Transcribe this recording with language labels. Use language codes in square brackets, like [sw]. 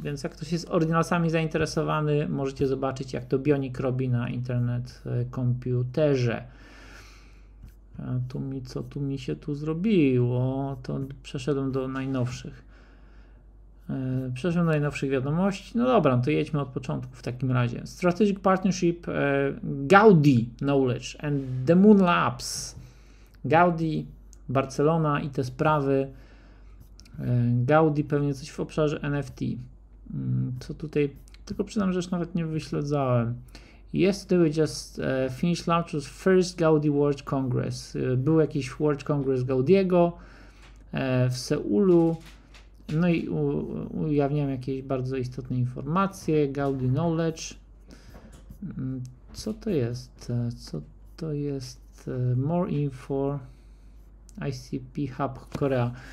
[pl] Więc jak ktoś jest Originalsami zainteresowany, możecie zobaczyć, jak to Bionic robi na Internet Computerze. A tu mi, co tu mi się tu zrobiło? To przeszedłem do najnowszych. Przeszedłem do najnowszych wiadomości. No dobra, to jedźmy od początku w takim razie. [en] Strategic Partnership Gaudi Knowledge and the Moon Labs. [pl] Gaudi, Barcelona i te sprawy. Gaudi pewnie coś w obszarze NFT. Co tutaj? Tylko przyznam, że już nawet nie wyśledzałem. [en] Yesterday we just finished launching the first Gaudi World Congress. [pl] Był jakiś World Congress Gaudiego w Seulu. No i ujawniam jakieś bardzo istotne informacje. Gaudi Knowledge. Co to jest? Co to jest? [en] More info. [pl] ICP Hub Korea.